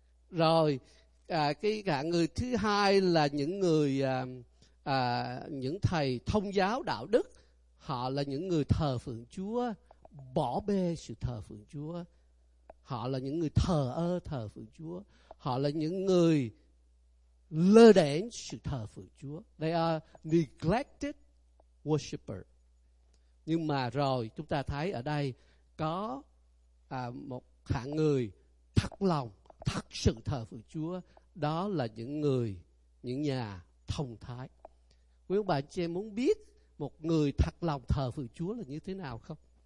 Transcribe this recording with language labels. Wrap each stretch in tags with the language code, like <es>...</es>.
<vi>Rồi cái hạng người thứ hai là những người những thầy thông giáo đạo đức, họ là những người thờ phượng Chúa, bỏ bê sự thờ phượng Chúa, họ là những người thờ ơ thờ phượng Chúa, họ là những người lơ đễnh sự thờ phượng Chúa.</vi> <en>They are neglected worshipper.</en> <vi>Nhưng mà rồi chúng ta thấy ở đây có một hạng người thật lòng, thật sự thờ phượng Chúa. Đó là những người, những nhà thông thái. Quý ông bà anh chị em muốn biết một người thật lòng thờ phượng Chúa là như thế nào không?</vi>